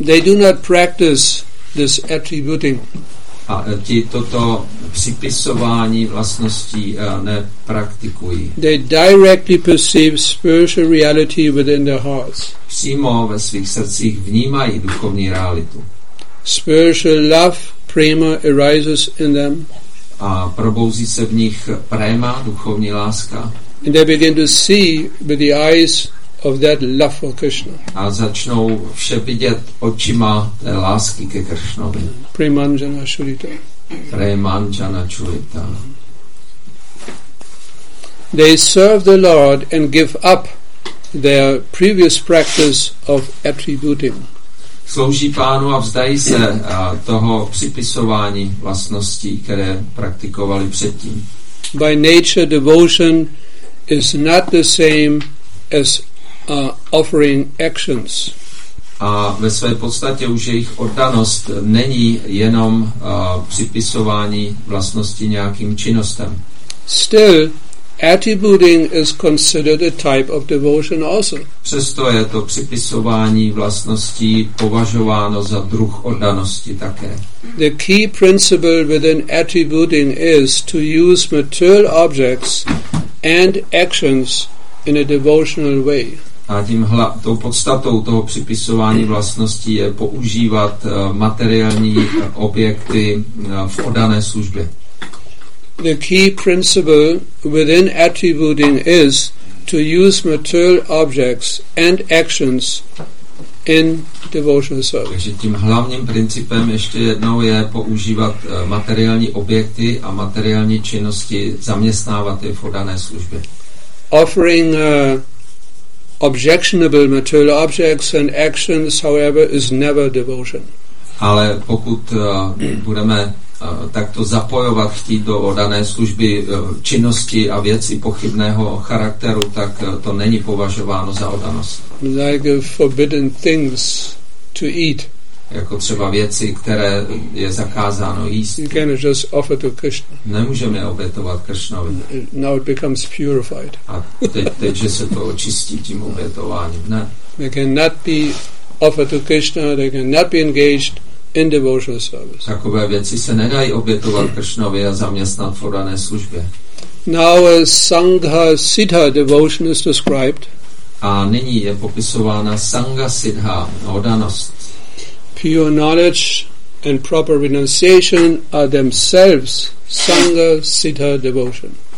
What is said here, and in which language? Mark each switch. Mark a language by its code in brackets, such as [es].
[en] they do not practice this attributing. [cs] A ti toto připisování vlastností nepraktikují. [en] They directly perceive spiritual reality within their hearts. [cs] Přímo ve svých srdcích vnímají duchovní realitu. [en] Spiritual love, prema arises in them. [cs] A probouzí se v nich prema, duchovní láska. [en] And they begin to see with the eyes of that love for Krishna. [cs] A začnou vše vidět očima té lásky ke Krishnovi. [sa] Premanjana Shurita. Premanjana Shurita. [en] They serve the Lord and give up their previous practice of attributing. [cs] Slouží Pánu a vzdají se toho připisování vlastností, které praktikovali předtím. [en] By nature devotion is not the same as offering actions. [cs] A ve své podstatě už jejich oddanost není jenom připisování vlastnosti nějakým činnostem. [en] Still, attributing is considered a type of devotion also. [cs] Přesto je to připisování vlastností považováno za druh oddanosti také. [en] The key principle within attributing is to use material objects and actions in a devotional way. [cs] A tím tou podstatou toho připisování vlastností je používat materiální objekty v oddané službě. [en] The key principle within attributing is to use material objects and actions in devotional service. [cs] Takže tím hlavním principem ještě jednou je používat materiální objekty a materiální činnosti, zaměstnávat je v oddané službě. [en] Offering objectionable material objects and actions, however, is never devotion. [cs] Ale pokud budeme tak to zapojovat chtít do dané služby činnosti a věci pochybného charakteru, tak to není považováno za oddanost. [en] Like forbidden things to eat. [cs] Jako třeba věci, které je zakázáno jíst. [en] You can just offer to Krishna. [cs] Nemůžeme obětovat Krishnovi. [en] Now it becomes purified. [cs] A teď se to očistí tím obětováním. Ne. [en] They cannot be offered to Krishna, they cannot be engaged in devotional service. [cs] Takové věci se nedají obětovat Kršnovi a zaměstnat v oddané službě. [en] Now a Sangha Siddha devotion is described. [cs] A nyní je popisována Sangha Siddha, oddanost. [en] Pure knowledge and proper renunciation are themselves Sangha Siddha devotion.